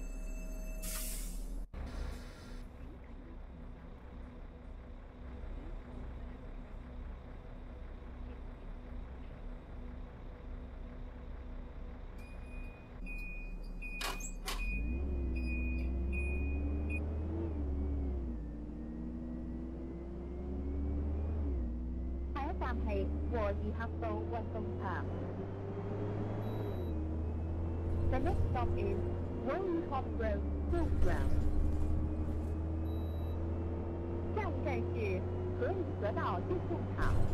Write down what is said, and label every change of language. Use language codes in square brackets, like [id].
[zh] 下一站是和义合道运动场。 [en] The next stop is Rolling Hop Road School Ground. [zh] 下一站是和义河道运动场。